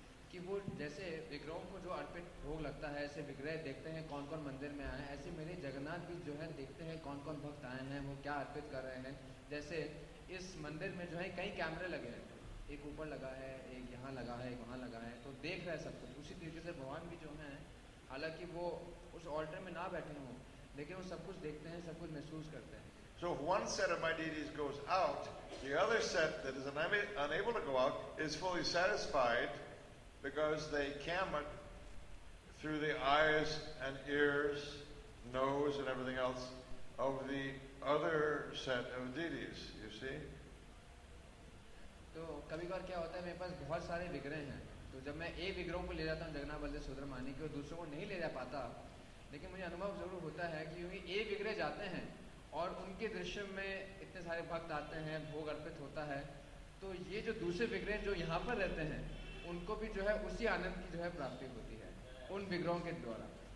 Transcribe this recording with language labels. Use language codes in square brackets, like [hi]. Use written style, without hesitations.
[hi] कि वो जैसे विग्रहों को जो अर्पित भोग लगता है ऐसे विग्रह देखते हैं कौन कौन मंदिर में आए हैं, ऐसे मेरे जगन्नाथ भी जो है देखते हैं कौन कौन भक्त आए हैं वो क्या अर्पित कर रहे हैं। जैसे इस मंदिर में जो है कई कैमरे लगे हैं, एक ऊपर लगा है, एक यहाँ लगा है, एक वहाँ लगा है, तो देख रहे हैं सब कुछ। उसी तरीके से भगवान भी जो हैं हालांकि वो उस ऑल्टर में ना बैठे हों लेकिन वो सब कुछ देखते हैं, सब कुछ महसूस करते हैं। [en] So if one set of my deities goes out, the other set that is unable to go out is fully satisfied. Because they cam it through the eyes and ears, nose and everything else of the other set of deities, you see. [hi] तो कभी कभार क्या होता है मेरे पास बहुत सारे विग्रह हैं, तो जब मैं एक विग्रह को ले जाता हूँ जगन्नाथ बलदेव सुब्रमण्यम के और दूसरों को नहीं ले जा पाता, लेकिन मुझे अनुभव जरूर होता है कि क्योंकि एक विग्रह जाते हैं और उनके दृश्य में इतने सारे भक्त आते हैं, भोग अर्पित होता है, तो ये जो दूसरे विग्रह जो यहाँ पर रहते हैं उनको भी जो है उसी आनंद की जो है प्राप्ति होती है उन विग्रहों के द्वारा।